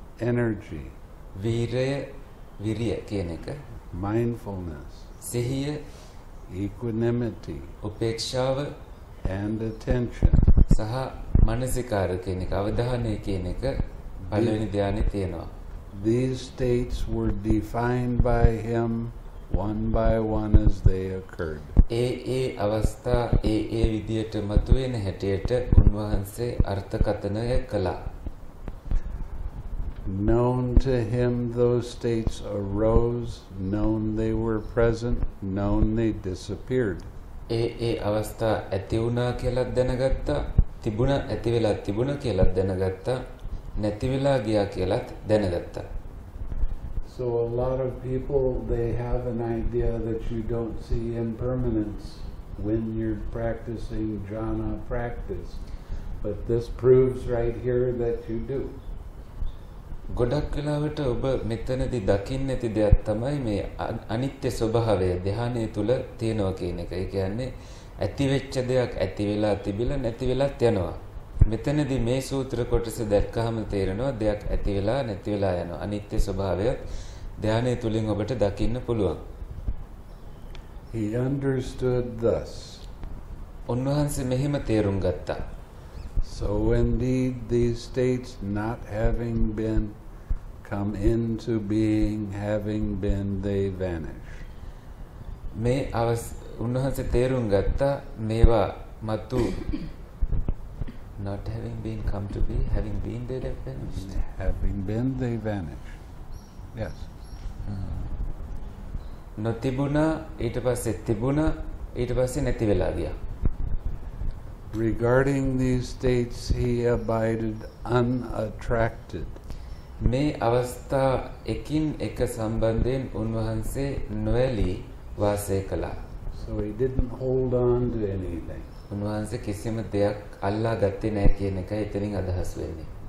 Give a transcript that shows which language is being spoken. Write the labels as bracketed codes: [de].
[en] Energy. [si] Virya, virya කියන එක. [en] Mindfulness. [si] සිහිය. [en] Equanimity. [si] උපේක්ෂාව. [en] And attention. [si] සහ මනසිකාර කියන එක, අවධානය කියන එක පළවෙනි ධ්‍යානෙ තියෙනවා. [en] These states were defined by him one by one as they occurred. [si] ඒ අවස්ථා ඒ විදියට මතුවෙන හැටියට උන්වහන්සේ අර්ථකථනය කළා. [en] Known to him those states arose, known they were present, known they disappeared. [si] ඒ අවස්ථා ඇති වුණා කියලා දැනගත්තා, තිබුණ ඇති වෙලා තිබුණ කියලා දැනගත්තා, නැති වෙලා ගියා කියලාත් දැනගත්තා. [en] So a lot of people, they have an idea that you don't see impermanence when you're practicing jhana practice. But this proves right here that you do. [si] ගොඩක් වෙලාවට ඔබ මෙතනදී දකින්න ඇති දෙයක් තමයි මේ අනිත්‍ය ස්වභාවය ධ්‍යානය තුළ තියෙනවා කියන එක. ඒ කියන්නේ ඇතිවෙච්ච දෙයක් ඇති වෙලා තිබිලා නැති වෙලාත් යනවා. මෙතනදී මේ සූත්‍ර කොටස දැක්කහම තේරෙනවා දෙයක් ඇති වෙලා නැති වෙලා යනවා. අනිත්‍ය ස්වභාවය ධ්‍යානය තුළින් ඔබට දකින්න පුළුවන්. [en] He understood thus. [si] උන්වහන්සේ මෙහෙම තේරුම් ගත්තා. [en] So indeed, these states not having been come into being, having been, they vanish. [si] මේ අවස් උන්වහන්සේ තේරුම් ගත්තා මේවා මතු [en] not having been come to be, having been, they vanish. Having been, they vanish. Yes. [si] නොතිබුණා ඊට පස්සේ තිබුණා ඊට පස්සේ නැති වෙලා ගියා. [en] Regarding these states, he abided unattracted. [si] මේ අවස්ථා එකින් එක සම්බන්ධයෙන් උන්වහන්සේ නොඇලි වාසය කළා. [en] So he didn't hold on to anything. [si] උන්වහන්සේ කිසිම දෙයක් අල්ලා ගත්තේ නැහැ කියන එක එතනින් අදහස් වෙන්නේ.